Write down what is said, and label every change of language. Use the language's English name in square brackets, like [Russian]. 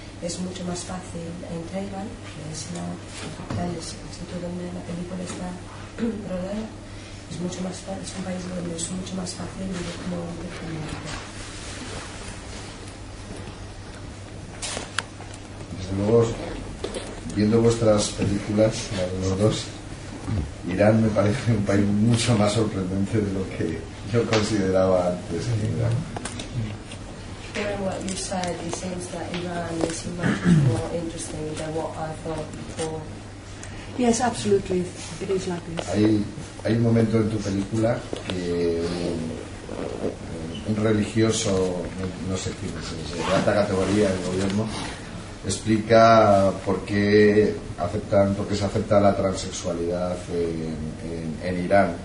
[Spanish] Es mucho más fácil en Trayvan, que es la capital del sitio donde la película está rodada, es mucho más fácil, es un país donde es mucho más fácil vivir como mujer que como mujer. Desde luego, viendo vuestras películas, los dos, Irán me parece un país mucho más sorprendente de lo que yo consideraba antes. [English] Hearing what you said, it seems that Iran is much more interesting than what I thought before. Yes, absolutely, it is like this. [Spanish] Hay un momento en tu película que un religioso, no sé quién es, de alta categoría del gobierno, explica por qué se acepta la transexualidad en Irán.